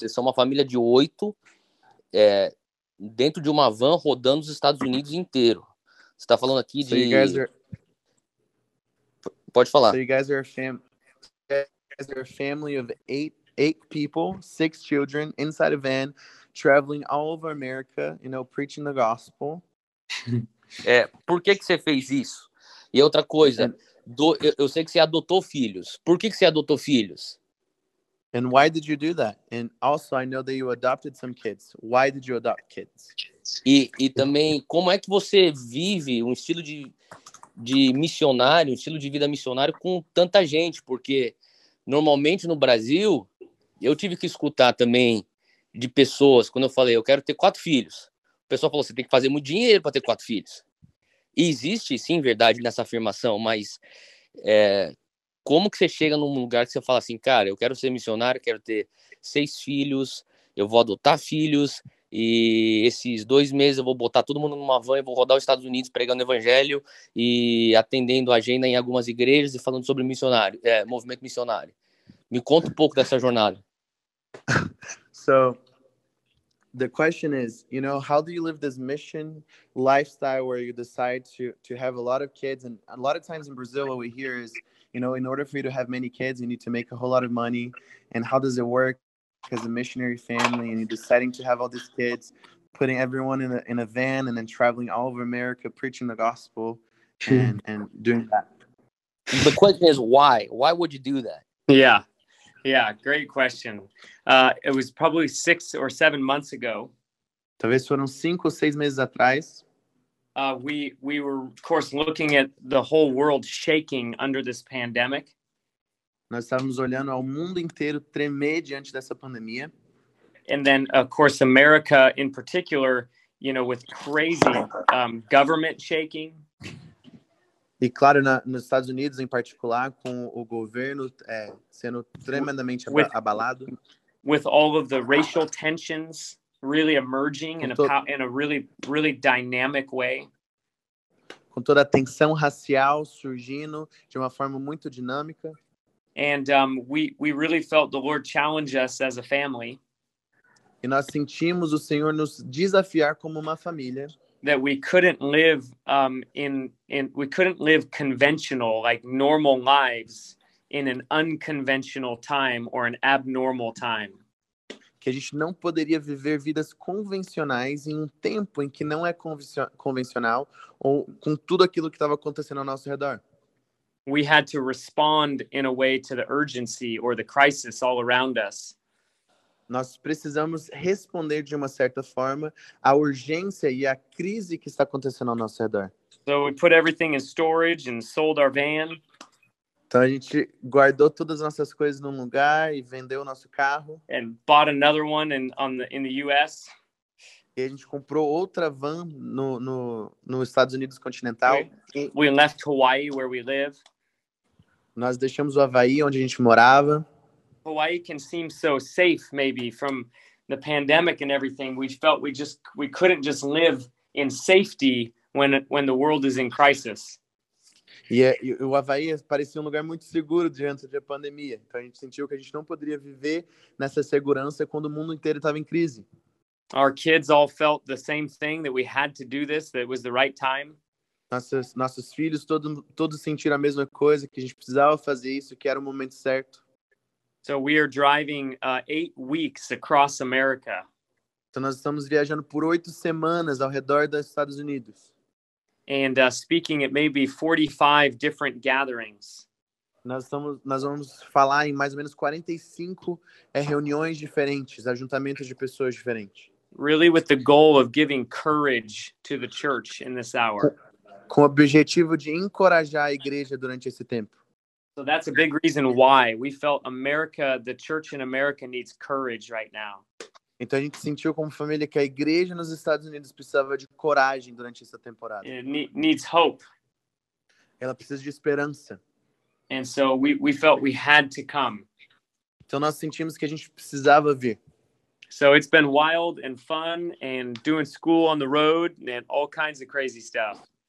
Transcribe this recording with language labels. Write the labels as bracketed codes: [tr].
[pt] Vocês são uma família de 8 dentro de uma van rodando os Estados Unidos inteiro. Você tá falando aqui de... Pode falar. [en] So you guys are a family of 8 people, 6 children, inside a van, traveling all over America, you know, preaching the gospel. [pt] Por que que você fez isso? E outra coisa, eu sei que você adotou filhos. Por que que você adotou filhos? [en] And why did you do that? And also, I know that you adopted some kids. Why did you adopt kids? [pt] E também, como é que você vive um estilo de missionário, um estilo de vida missionário com tanta gente? Porque normalmente no Brasil, eu tive que escutar também de pessoas, quando eu falei, eu quero ter 4 filhos. O pessoal falou, você tem que fazer muito dinheiro para ter 4 filhos. E existe, sim, verdade nessa afirmação, mas como que você chega num lugar que você fala assim, cara, eu quero ser missionário, quero ter 6 filhos, eu vou adotar filhos, e esses 2 meses eu vou botar todo mundo numa van e vou rodar os Estados Unidos pregando evangelho e atendendo agenda em algumas igrejas e falando sobre missionário, movimento missionário. Me conta um pouco dessa jornada. [en] So, the question is, you know, how do you live this mission lifestyle where you decide to have a lot of kids? And a lot of times in Brazil, what we hear is, you know, in order for you to have many kids, you need to make a whole lot of money. And how does it work as a missionary family and you're deciding to have all these kids, putting everyone in a van and then traveling all over America, preaching the gospel and doing that? The question is why? Why would you do that? Yeah. Yeah, great question. It was probably 6 or 7 months ago. [pt] Talvez foram 5 ou 6 meses atrás. [en] We were, of course, looking at the whole world shaking under this pandemic. [pt] Nós estávamos olhando ao mundo inteiro tremer diante dessa pandemia. [en] And then, of course, America in particular, you know, with crazy government shaking. [pt] E claro, nos Estados Unidos em particular, com o governo sendo tremendamente abalado. [en] With all of the racial tensions really emerging in a really, really dynamic way. [pt] Com toda a tensão racial surgindo de uma forma muito dinâmica. [en] And we really felt the Lord challenge us as a family. [pt] E nós sentimos o Senhor nos desafiar como uma família. [en] That we couldn't live we couldn't live conventional, like normal lives in an unconventional time or an abnormal time. [pt] Que a gente não poderia viver vidas convencionais em um tempo em que não é convencional ou com tudo aquilo que estava acontecendo ao nosso redor. [en] we had to respond in a way to the urgency or the crisis all around us. [pt] Nós precisamos responder de uma certa forma à urgência e à crise que está acontecendo ao nosso redor. [en] So we put everything in storage and sold our van. [pt] Então a gente guardou todas as nossas coisas num lugar e vendeu o nosso carro. [en] And bought another one in the US. [pt] E a gente comprou outra van no Estados Unidos continental. [en] We left Hawaii, where we live. [pt] Nós deixamos o Havaí, onde a gente morava. [en] Hawaii can seem so safe, maybe, from the pandemic and everything. We felt we couldn't just live in safety when the world is in crisis. [pt] E o Havaí parecia um lugar muito seguro diante da pandemia. Então a gente sentiu que a gente não poderia viver nessa segurança quando o mundo inteiro estava em crise. [en] Our kids all felt the same thing, that we had to do this, that it was the right time. [pt] Nossos filhos todos sentiram a mesma coisa, que a gente precisava fazer isso, que era o momento certo. [en] So we are driving 8 weeks across America. [pt] Então nós estamos viajando por 8 semanas ao redor dos Estados Unidos. [en] And speaking at maybe 45 different gatherings. [pt] Nós vamos falar em mais ou menos 45 reuniões diferentes, ajuntamentos de pessoas diferentes. [en] Really with the goal of giving courage to the church in this hour. [pt] Com o objetivo de encorajar a igreja durante esse tempo. [en] So that's a big reason why we felt America, the church in America needs courage right now. [pt] Então a gente sentiu como família que a igreja nos Estados Unidos precisava de coragem durante essa temporada. [en] It needs hope. [pt] Ela precisa de esperança. [en] And so we felt we had to come. [pt] Então nós sentimos que a gente precisava vir. [en] So it's been wild and fun and doing school on the road and all kinds of crazy stuff.